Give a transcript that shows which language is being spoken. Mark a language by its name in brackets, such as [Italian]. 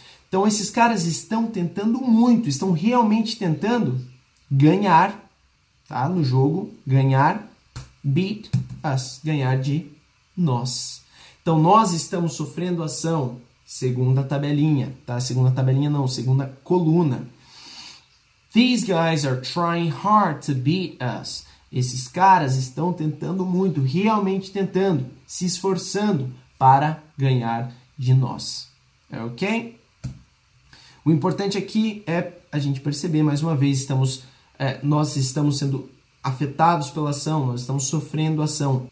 [Portuguese] Então, esses caras estão tentando muito, estão realmente tentando ganhar, tá? No jogo, ganhar, [English] beat us, [Portuguese] ganhar de nós. Então, nós estamos sofrendo ação, segunda tabelinha, tá? Segunda tabelinha não, segunda coluna. [English] These guys are trying hard to beat us. [Portuguese] Esses caras estão tentando muito, realmente tentando, se esforçando para ganhar de nós. É ok? O importante aqui é a gente perceber, mais uma vez, nós estamos sendo afetados pela ação, nós estamos sofrendo a ação.